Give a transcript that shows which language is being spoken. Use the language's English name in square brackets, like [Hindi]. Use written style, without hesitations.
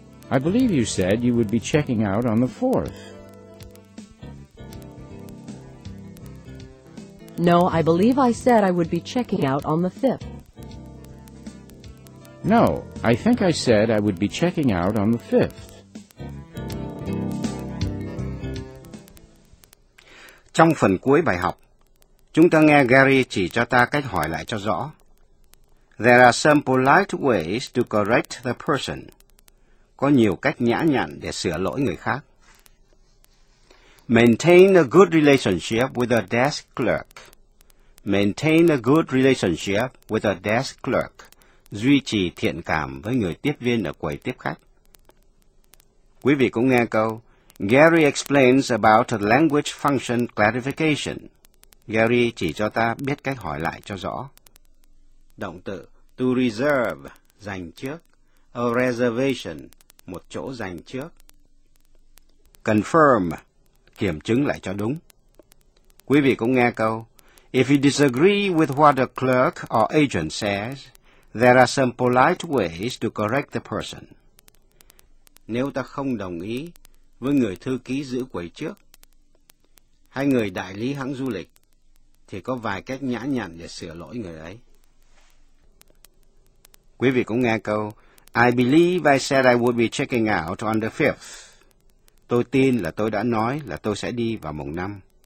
[English] I believe you said you would be checking out on the 4th. No, I believe I said I would be checking out on the 5th. No, I think I said I would be checking out on the 5th. [Vietnamese] Trong phần cuối bài học, chúng ta nghe Gary chỉ cho ta cách hỏi lại cho rõ. [English] There are some polite ways to correct the person. [Vietnamese] Có nhiều cách nhã nhặn để sửa lỗi người khác. [English] Maintain a good relationship with a desk clerk. Maintain a good relationship with a desk clerk. [Vietnamese] Duy trì thiện cảm với người tiếp viên ở quầy tiếp khách. Quý vị cũng nghe câu, [English] Gary explains about language function clarification. [Vietnamese] Gary chỉ cho ta biết cách hỏi lại cho rõ. Động từ to reserve, dành trước. A reservation, một chỗ dành trước. Confirm, kiểm chứng lại cho đúng. Quý vị cũng nghe câu, [English] if you disagree with what a clerk or agent says, there are some polite ways to correct the person. [Vietnamese] Nếu ta không đồng ý với người thư ký giữ quầy trước, hay người đại lý hãng du lịch, thì có vài cách nhã nhặn để sửa lỗi người ấy. Quý vị cũng nghe câu, [English] I believe I said I would be checking out on the 5th. [Vietnamese] Tôi tin là tôi đã nói là tôi sẽ đi vào mùng 5.